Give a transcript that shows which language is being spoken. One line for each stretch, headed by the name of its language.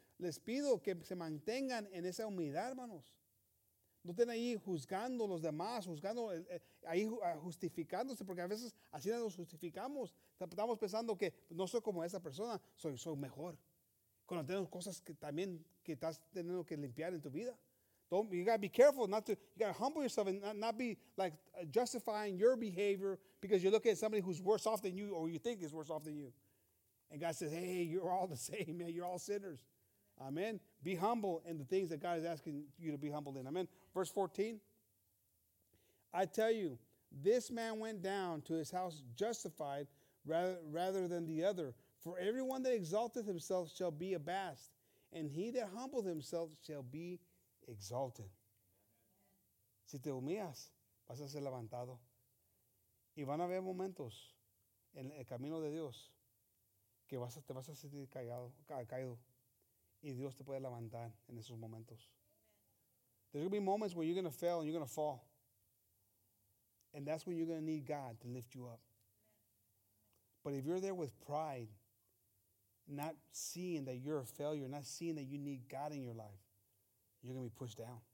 Spanish: Les pido que se mantengan en esa humildad, hermanos. No estén ahí juzgando a los demás, juzgando, ahí justificándose, porque a veces así nos justificamos. Estamos pensando que no soy como esa persona, soy mejor. Cuando tenemos cosas que también que estás teniendo que limpiar en tu vida.
English: You got to be careful not to, you got to humble yourself and not be like justifying your behavior because you look at somebody who's worse off than you or you think is worse off than you. And God says, hey, you're all the same, man. You're all sinners. Amen. Be humble in the things that God is asking you to be humble in. Amen. Verse 14. I tell you, this man went down to his house justified rather than the other. For everyone that exalteth himself shall be abased, and he that humbled himself shall be exalted.
Spanish: Si te humillas, vas a ser levantado. Y van a haber momentos en el camino de Dios que te vas a sentir caído. Y Dios te puede levantar en esos momentos.
English: There's going to be moments where you're going to fail and you're going to fall. And that's when you're going to need God to lift you up. But if you're there with pride, not seeing that you're a failure, not seeing that you need God in your life, you're going to be pushed down.